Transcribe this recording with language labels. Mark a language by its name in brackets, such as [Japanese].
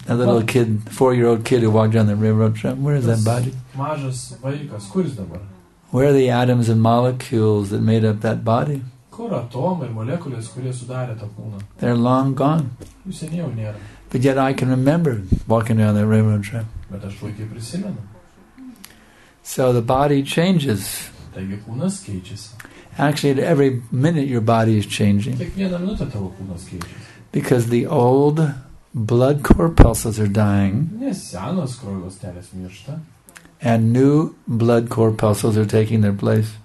[English] That little kid, 4-year-old kid who walked down the railroad track. Where is that body? [Lithuanian] Mažas vaikas, kur jis dabar? [English] Where are the atoms and molecules that made up that body? [Lithuanian] Kur atomai ir molekulės, kurie sudarė tą kūną? [English] They're long gone. [Lithuanian] Jų seniai jau nėra. [English] But yet I can remember walking down that railroad track. [Lithuanian] Bet aš puikiai prisimenu. [English] So the body changes. [Lithuanian] Taigi kūnas keičiasi. [English] Actually, at every minute your body is changing. [Lithuanian] Kiekvieną minutę tavo kūnas keičiasi. [English] Because the old blood corpuscles are dying. [Lithuanian] Nes senos kraujo ląstelės miršta. [English] And new blood corpuscles are taking their place.